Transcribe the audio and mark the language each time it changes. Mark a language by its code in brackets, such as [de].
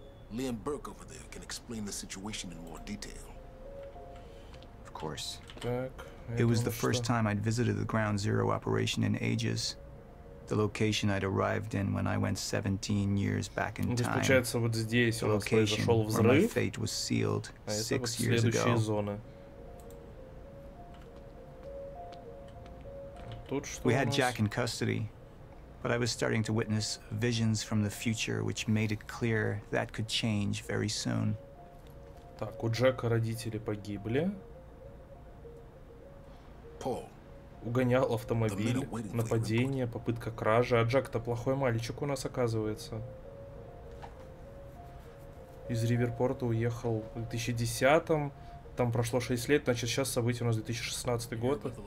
[en] Liam Burke over there can explain the situation in more detail. Of course. [ru] Так, [en] it was the first time I'd visited the Ground Zero operation in ages. The location I'd arrived in when I went 17 years back in time. [ru] Здесь получается вот здесь у нас произошел взрыв. [en] My fate was sealed 6 years ago. [ru] Следующая зона. Тут что? [en] We had Jack in custody, but I was starting to witness visions from the future, which made it clear that could change very soon. [ru] Так, у Джека родители погибли. Пол. Угонял автомобиль, нападение, попытка кражи. А Джек-то плохой мальчик у нас оказывается. Из Риверпорта уехал в 2010-м. Там прошло 6 лет, значит сейчас событие у нас 2016 год.